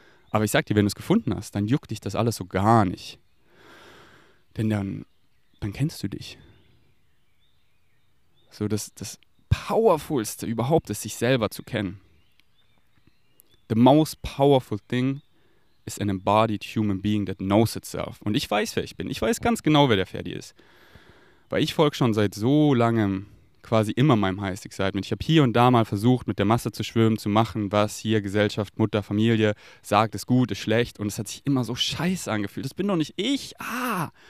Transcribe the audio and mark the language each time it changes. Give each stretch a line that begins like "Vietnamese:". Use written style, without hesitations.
German: Aber ich sag dir, wenn du es gefunden hast, dann juckt dich das alles so gar nicht. Denn dann kennst du dich. So, das Powerfulste überhaupt ist, sich selber zu kennen.
English: The most powerful thing is an embodied human being that knows itself.
German: Und ich weiß, wer ich bin. Ich weiß ganz genau, wer der Ferdi ist. Weil ich folge schon seit so langem quasi immer meinem Highest Excitement. Ich habe hier und da mal versucht, mit der Masse zu schwimmen, zu machen, was hier Gesellschaft, Mutter, Familie sagt, ist gut, ist schlecht. Und es hat sich immer so scheiße angefühlt. Das bin doch nicht ich. Ah!